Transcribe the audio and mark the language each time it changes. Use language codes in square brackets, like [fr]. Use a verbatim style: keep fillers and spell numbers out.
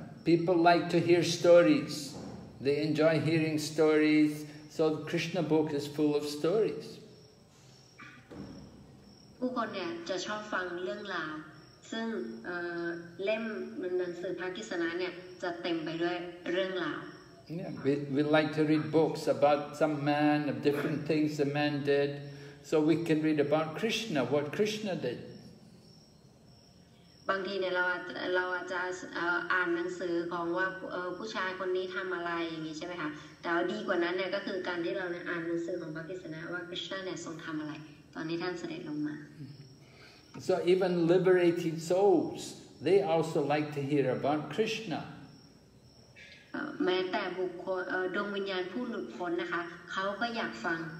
[en] People like to hear stories. They enjoy hearing stories. So the Krishna book is full of stories. [th] ผู้คนเนี่ยจะชอบฟังเรื่องราวซึ่งเล่มหนังสือพระกฤษณะเนี่ยจะเต็มไปด้วยเรื่องราว [en] Yeah, we we like to read books about some man of different things the man did. So we can read about Krishna, what Krishna did. [th] บางทีเนี่ยเราเราอาจจะอ่านหนังสือของว่าผู้ชายคนนี้ทำอะไรอย่างนี้ใช่ไหมคะแต่ดีกว่านั้นเนี่ยก็คือการที่เราอ่านหนังสือของพระกฤษณะว่า Krishna เนี่ยทรงทำอะไรตอนนี้ท่านเสด็จลงมา [en] So even liberated souls, they also like to hear about Krishna. [th] แม้แต่บุคคลดวงวิญญาณผู้หลุดพ้นนะคะเขาก็อยากฟัง